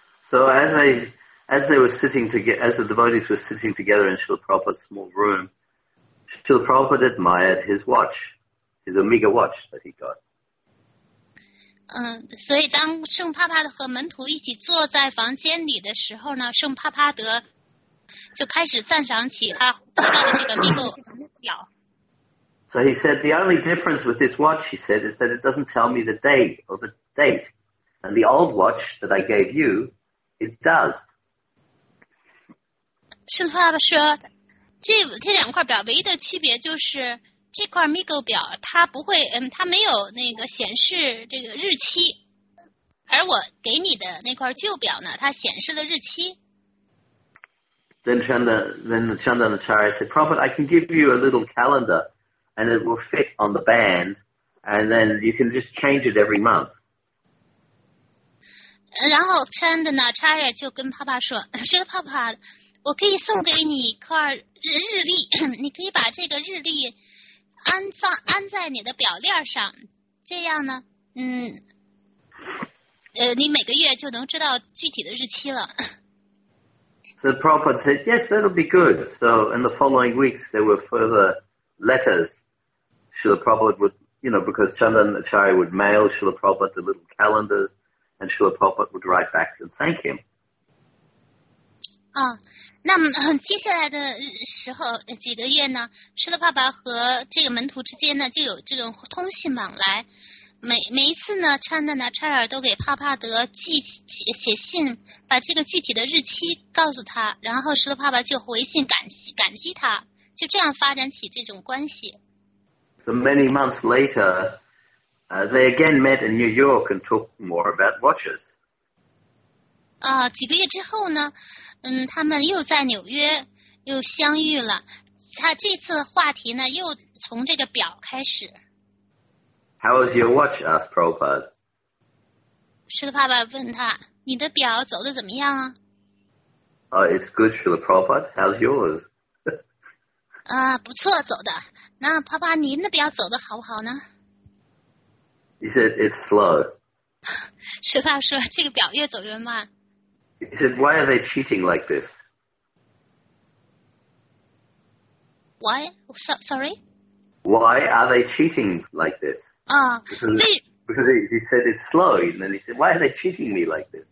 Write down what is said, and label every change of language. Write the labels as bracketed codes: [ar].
[en] So as the devotees were sitting together in Srila Prabhupada's small room, Srila Prabhupada admired his watch, his Omega watch that he got. [zh] 所以当圣帕帕德和门徒一起坐在房间里的时候呢，圣帕帕德就开始赞赏起他得到的这个 Omega 表。 [en] So he said, the only difference with this watch, he said, is that it doesn't tell me the day or the date. And the old watch that I gave you, it does. [zh] 圣帕帕说，这两块表唯一的区别就是这块 Omega 表它不会，它没有那个显示这个日期，而我给你的那块旧表呢，它显示了日期。 [en] Then Chandanacharya said, Prophet, I can give you a little calendar, and it will fit on the band, and then you can just change it every month. [zh] 然后 Chandanacharya 就跟帕帕说，这个帕帕，我可以送给你一块日历，你可以把这个日历安在你的表链上，这样呢，你每个月就能知道具体的日期了。 [en] The prophet said, "Yes, that'll be good." So in the following weeks, there were further letters. Srila Prabhupada would, you know, because Chandanacharya would mail Srila Prabhupada the little calendars, and Srila Prabhupada would write back and thank him. [zh] 那么接下来的时候几个月呢，师的爸爸和这个门徒之间呢就有这种通信往来。每一次呢，查德纳查尔都给帕帕德写信，把这个具体的日期告诉他，然后师的爸爸就回信感激他，就这样发展起这种关系。 [en] So many months later, they again met in New York and talked more about watches. [zh] 几个月之后呢？他们又在纽约又相遇了，他这次话题呢又从这个表开始。 [en] How is your watch? Asked Prabhupada. [zh] 师的爸爸问他，你的表走得怎么样啊？ [en] Oh, it's good, Srila Prabhupada. How's yours? [zh] 不错，走的。那爸爸，您的表走得好不好呢？ [en] He said, it's slow. [zh] 师的爸爸说，这个表越走越慢。 [en] He said, why are they cheating like this? Why? Sorry? Why are they cheating like this? Because he said it's slow. And then he said, why are they cheating me like this?